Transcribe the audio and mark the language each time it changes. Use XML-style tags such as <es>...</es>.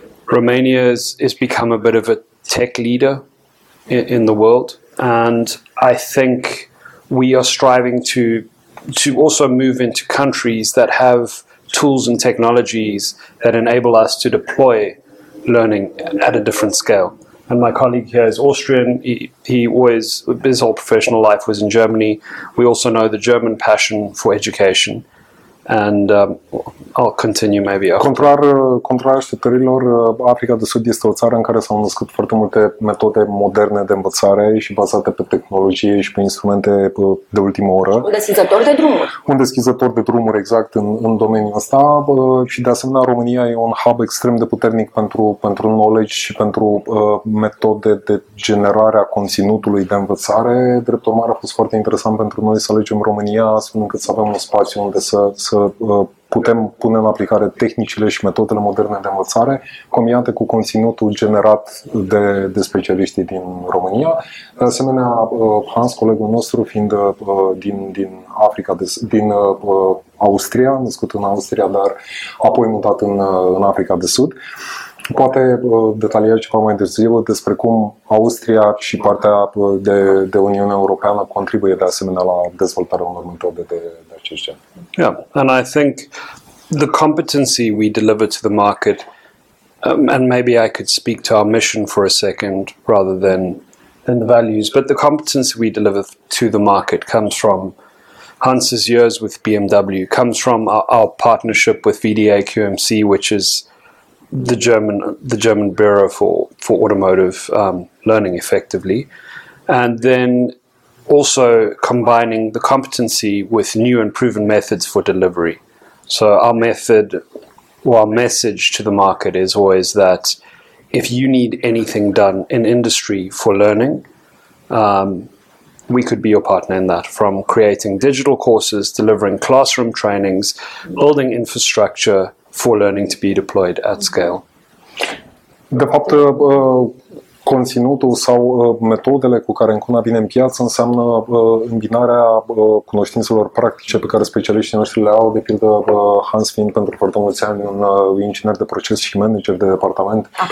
<en>Romania has become a bit of a tech leader in the world, and I think we are striving to also move into countries that have tools and technologies that enable us to deploy learning at a different scale. And my colleague here is Austrian. His whole professional life was in Germany. We also know the German passion for education. And I'll continue maybe after.</en> <ro>Contrar așteptărilor, Africa de Sud este o țară în care s-au născut foarte multe metode moderne de învățare și bazate pe tehnologie și pe instrumente de ultimă oră. Un deschizător de drumuri. Un deschizător de drumuri, exact, în domeniul ăsta. Și de asemenea, România e un hub extrem de puternic pentru knowledge și pentru metode de generare a conținutului de învățare. Drept urmare, a fost foarte interesant pentru noi să alegem România astfel încât să avem un spațiu unde să putem pune în aplicare tehnicile și metodele moderne de învățare combinate cu conținutul generat de specialiștii din România. De asemenea, Hans, colegul nostru, fiind din Africa, din Austria, născut în Austria, dar apoi mutat în Africa de Sud, poate detalia ceva mai târziu despre cum Austria și partea de Uniunea Europeană contribuie de asemenea la dezvoltarea unor metode de acest gen.</ro> <en>Yeah, and I think the competency we deliver to the market, and maybe I could speak to our mission for a second rather than the values, but the competency we deliver to the market comes from Hans's years with BMW, comes from our partnership with VDA QMC, which is the German Bureau for for automotive learning effectively, and then also combining the competency with new and proven methods for delivery. So our method, or our message to the market, is always that if you need anything done in industry for learning, we could be your partner in that, from creating digital courses, delivering classroom trainings, building infrastructure for learning to be deployed at scale.</en> <ro>De fapt, conținutul sau metodele cu care Encona vine în piață înseamnă îmbinarea cunoștințelor practice pe care specialiștii noștri le au, de pildă Hans fiind pentru foarte mulți ani un inginer de proces și manager de departament.</ro>